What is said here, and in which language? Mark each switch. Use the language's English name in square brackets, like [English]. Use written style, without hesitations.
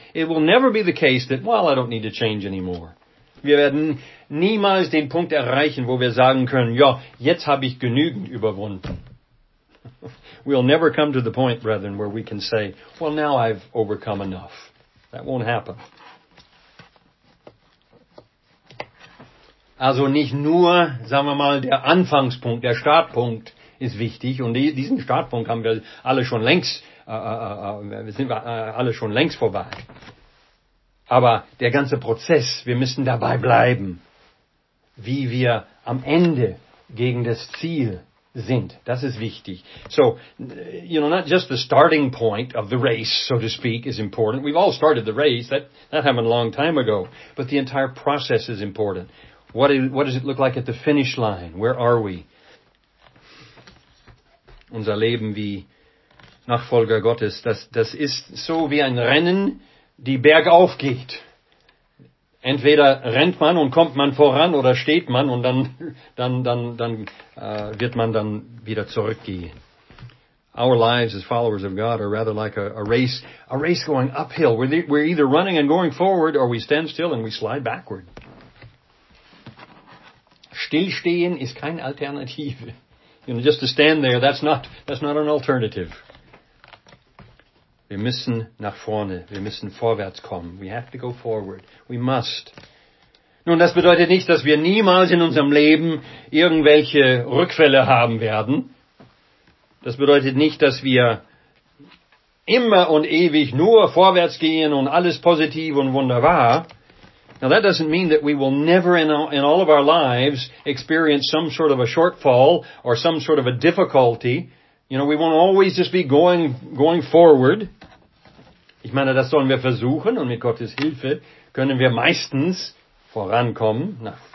[English] It will never be the case that, well, I don't need to change anymore. [German] Wir werden niemals den Punkt erreichen, wo wir sagen können, ja, jetzt habe ich genügend überwunden. [English] We'll never come to the point, brethren, where we can say, well, now I've overcome enough. That won't happen. [German] Also nicht nur, sagen wir mal, der Anfangspunkt, der Startpunkt ist wichtig. Und diesen Startpunkt haben wir alle schon längst, vorbei. Aber der ganze Prozess, wir müssen dabei bleiben, wie wir am Ende gegen das Ziel sind. Das ist wichtig. [English] So, you know, not just the starting point of the race, so to speak, is important. We've all started the race. That happened a long time ago. But the entire process is important. What does it look like at the finish line? Where are we? [German] Unser Leben wie Nachfolger Gottes, das ist so wie ein Rennen, die bergauf geht. Entweder rennt man und kommt man voran oder steht man und dann wird man dann wieder zurückgehen. [English] Our lives as followers of God are rather like a race going uphill. We're either running and going forward or we stand still and we slide backward. [German] Stillstehen ist keine Alternative. [English] You know, just to stand there, that's not an alternative. [German] Wir müssen nach vorne, wir müssen vorwärts kommen. [English] We have to go forward. We must. [German] Nun, das bedeutet nicht, dass wir niemals in unserem Leben irgendwelche Rückfälle haben werden. Das bedeutet nicht, dass wir immer und ewig nur vorwärts gehen und alles positiv und wunderbar. [English] Now that doesn't mean that we will never in all of our lives experience some sort of a shortfall or some sort of a difficulty. You know, we won't always just be going forward. [German] Ich meine, das sollen wir versuchen und mit Gottes Hilfe können wir meistens vorankommen.